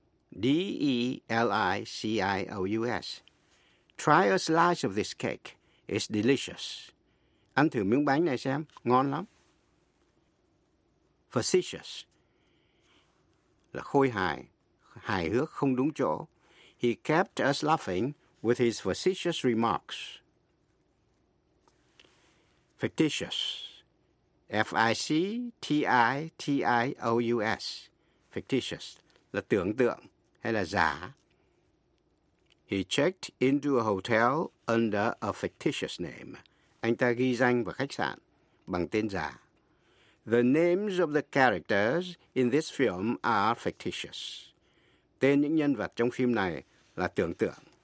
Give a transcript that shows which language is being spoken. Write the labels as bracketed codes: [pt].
[en] D-E-L-I-C-I-O-U-S. Try a slice of this cake. It's delicious. [vi] Ăn thử miếng bánh này xem. Ngon lắm. Facetious. là khôi hài, hài hước không đúng chỗ. [en] He kept us laughing with his facetious remarks. Fictitious. F-I-C-T-I-T-I-O-U-S. Fictitious [vi] là tưởng tượng hay là giả. [en] He checked into a hotel under a fictitious name. [vi] Anh ta ghi danh vào khách sạn bằng tên giả. [en] The names of the characters in this film are fictitious. [vi] Tên những nhân vật trong phim này là tưởng tượng.